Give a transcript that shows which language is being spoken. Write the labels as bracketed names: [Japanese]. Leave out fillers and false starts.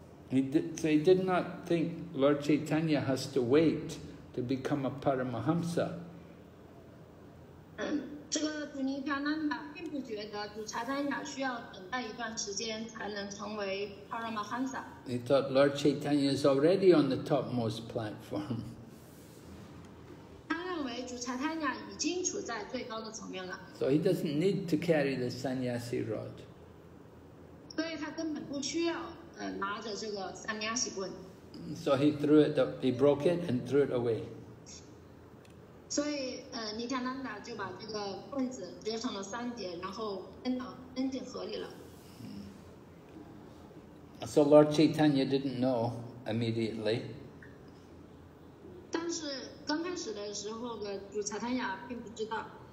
[English] He did not think Lord Chaitanya has to wait to become a Paramahamsa. [Chinese] 这个主尼加南达并不觉得主查丹雅需要等待一段时间才能成为 Paramahamsa. [English] He thought Lord Chaitanya is already on the topmost platform. [Chinese] 他认为主查丹雅已经处在最高的层面了。 [English] So he doesn't need to carry the sannyasi rod. [Chinese] 所以他根本不需要。拿着这个三牙喜棍。 [English] So he broke it and threw it away. [Chinese] 所以尼加南达就把这个棍子折成了三节，然后扔进河里了。 [English] So Lord Chaitanya didn't know immediately. [Chinese] 但是刚开始的时候的主查坦雅并不知道。